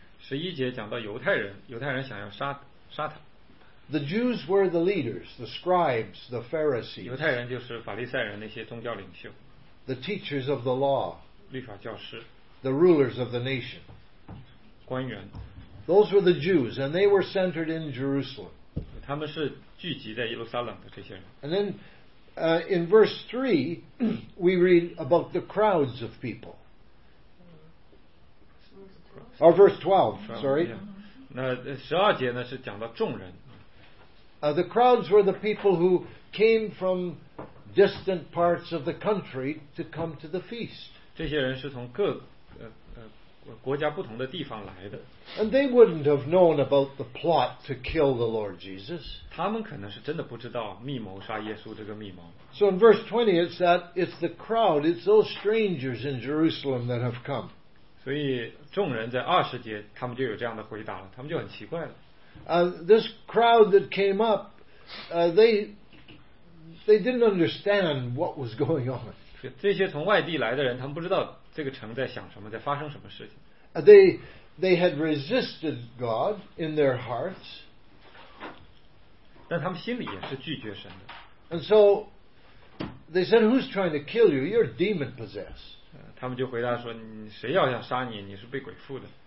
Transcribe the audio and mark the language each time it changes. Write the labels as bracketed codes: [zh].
[zh] 十一节讲到犹太人想要杀他。 [en] The Jews were the leaders, the scribes, the Pharisees. [zh] 犹太人就是法利赛人那些宗教领袖。 [en] The teachers of the law. [zh] 律法教师。 [en] The rulers of the nation. [zh] 官员。 [en] Those were the Jews, and they were centered in Jerusalem. [zh] 他们是聚集在耶路撒冷的这些人。 [en] And then, in verse 3, we read about the crowds of people. Or verse 12, sorry. [zh] 那十二节呢是讲到众人。 [en] The crowds were the people who came from distant parts of the country to come to the feast. [zh] 这些人是从各国家不同的地方来的。 [en] And they wouldn't have known about the plot to kill the Lord Jesus. [zh] 他们可能是真的不知道密谋杀耶稣这个密谋。 [en] So in verse 20, it's that it's the crowd, it's those strangers in Jerusalem that have come. [zh] 所以众人在二十节，他们就有这样的回答了，他们就很奇怪了。 [en] This crowd that came up, they didn't understand what was going on. [zh] 这些从外地来的人，他们不知道这个城在想什么，在发生什么事情。 [en] They had resisted God in their hearts. [zh] 但他们心里也是拒绝神的。 [en] And so they said, "Who's trying to kill you? You're demon possessed." [zh] 他们就回答说，谁要想杀你，你是被鬼附的。